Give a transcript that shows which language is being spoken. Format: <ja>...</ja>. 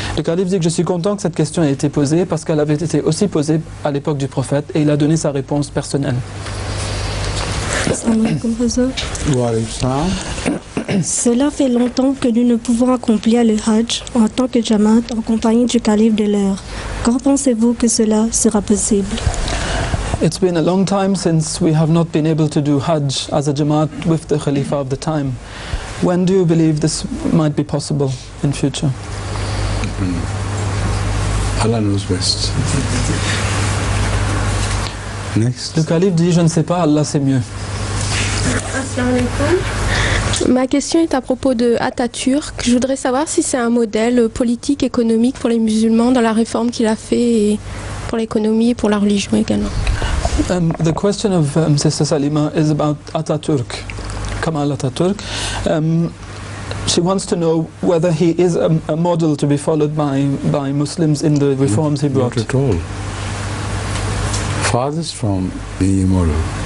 <fr>Le calife dit que je suis content que cette question ait été posée, parce qu'elle avait été aussi posée à l'époque du prophète, et il a donné sa réponse personnelle. Cela fait longtemps que nous ne pouvons accomplir le Hajj en tant que Jamaat en compagnie du calife de l'heure. Quand pensez-vous que cela sera possible?</fr> <en>It's been a long time since we have not been able to do Hajj as a Jamaat with the Khalifa of the time. When do you believe this might be possible in future? Allah knows best. Next.</en> <fr>Le calife dit, je ne sais pas, Allah sait mieux. Ma question est à propos de Atatürk. Je voudrais savoir si c'est un modèle politique, économique pour les musulmans dans la réforme qu'il a fait et pour l'économie et pour la religion également.</fr> <en>The question of Sister Salima is about Atatürk, Kemal Atatürk. She wants to know whether he is a model to be followed by Muslims in the reforms he brought. Not at all. Farthest from being a model.</en>